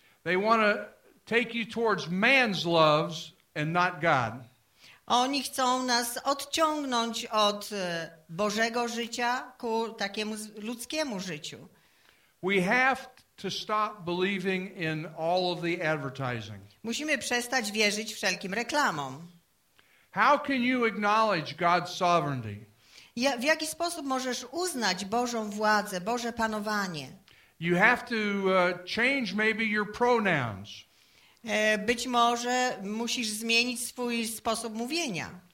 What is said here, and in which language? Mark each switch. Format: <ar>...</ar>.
<en>They want to take you towards man's loves and not God.</en> <pl>Oni chcą nas odciągnąć od Bożego życia ku takiemu ludzkiemu życiu.</pl> <en>We have to stop believing in all of the advertising.</en> <pl>Musimy przestać wierzyć wszelkim reklamom.</pl> <en>How can you acknowledge God's sovereignty?</en> <pl>W jaki sposób możesz uznać Bożą władzę, Boże panowanie?</pl> <en>You have to change maybe your pronouns.</en> <pl>Być może musisz zmienić swój sposób mówienia.</pl>